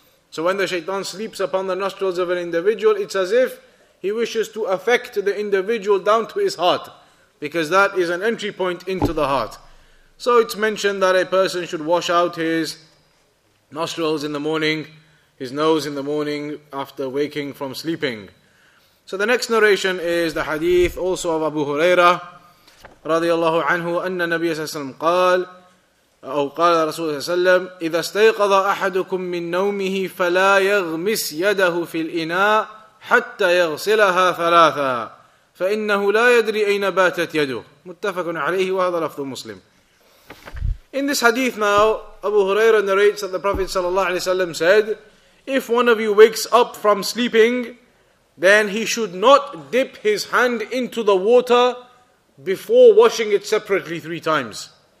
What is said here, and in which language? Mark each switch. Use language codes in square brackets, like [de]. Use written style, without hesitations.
[en] So when the shaitan sleeps upon the nostrils of an individual, it's as if he wishes to affect the individual down to his heart, because that is an entry point into the heart. So it's mentioned that a person should wash out his nostrils in the morning, his nose in the morning after waking from sleeping. So the next narration is the hadith also of Abu Huraira [ar] radiallahu anhu, anna Nabiya sallam qal, أو قال رسول الله صلى الله عليه وسلم إذا استيقظ أحدكم من نومه فلا يغمس يده في الإناء حتى يغسلها ثلاثا فإنه لا يدري أين باتت يده متفق عليه وهذا لفظ مسلم. [en] In this hadith now, Abu Huraira narrates that the Prophet صلى الله عليه وسلم said, if one of you wakes up from sleeping, then he should not dip his hand into the water before washing it separately 3 times.